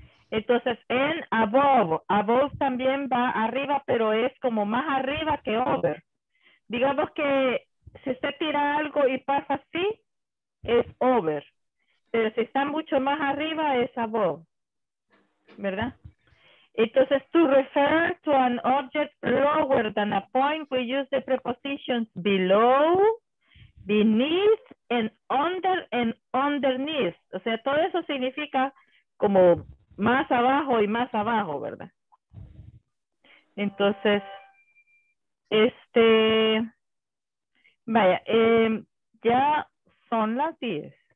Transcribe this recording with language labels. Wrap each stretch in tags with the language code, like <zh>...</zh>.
<es>Entonces, en above, above también va arriba, pero es como más arriba que over. Digamos que si usted tira algo y pasa así, es over. Pero si está mucho más arriba, es above. ¿Verdad?</es> <en>Entonces, to refer to an object lower than a point, we use the prepositions below, beneath, and under, and underneath.</en> <es>O sea, todo eso significa como más abajo y más abajo, ¿verdad? Entonces, este, vaya, ya son las 10.</es>